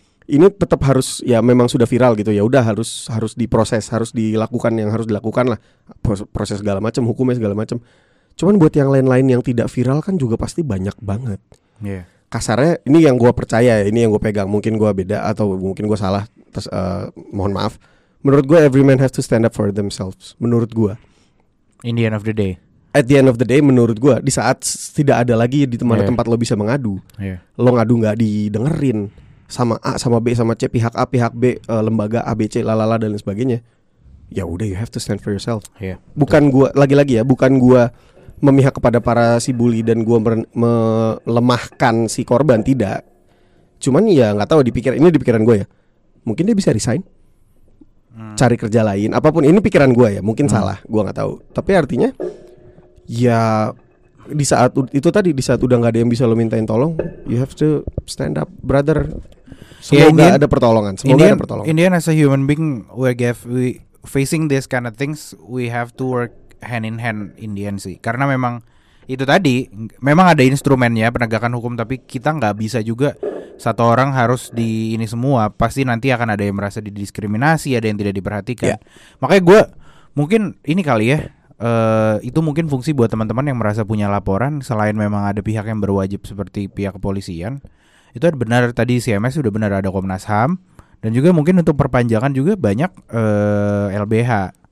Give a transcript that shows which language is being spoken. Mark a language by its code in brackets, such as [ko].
[id] Ini tetap harus, ya memang sudah viral gitu, ya udah harus diproses, harus dilakukan yang harus dilakukan lah. Proses segala macam, hukumnya segala macam. Cuman buat yang lain-lain yang tidak viral kan juga pasti banyak banget. Iya. Kasarnya ini yang gue percaya, ini yang gue pegang, mungkin gue beda atau mungkin gue salah, terus mohon maaf. Menurut gue [en] every man has to stand up for themselves. [id] Menurut gue, [en] in the end of the day, at the end of the day, [id] menurut gue, di saat tidak ada lagi di tempat lo bisa mengadu, lo ngadu gak didengerin sama A, sama B, sama C, pihak A, pihak B, lembaga A, B, C, lalala dan lain sebagainya, ya udah, [en] you have to stand for yourself. [id] Bukan gue, lagi-lagi ya, bukan gue memihak kepada para si bully dan gue melemahkan si korban, tidak. Cuman ya nggak tahu, di pikiran gue ya, mungkin dia bisa resign, cari kerja lain, apapun. Ini pikiran gue ya, mungkin salah, gue nggak tahu. Tapi artinya ya di saat itu tadi, di saat udah nggak ada yang bisa lo mintain tolong, [en] you have to stand up, brother. [id] Semoga ada pertolongan. [en] Indian as a human being, we give we facing this kind of things, we have to work hand in hand in the end sih. [id] Karena memang itu tadi, memang ada instrumennya penegakan hukum, tapi kita nggak bisa juga satu orang harus di ini semua. Pasti nanti akan ada yang merasa didiskriminasi, ada yang tidak diperhatikan. Yeah. Makanya gue mungkin ini kali ya, itu mungkin fungsi buat teman-teman yang merasa punya laporan, selain memang ada pihak yang berwajib seperti pihak kepolisian, itu benar tadi CMS sudah benar ada Komnas HAM, dan juga mungkin untuk perpanjangan juga banyak LBH.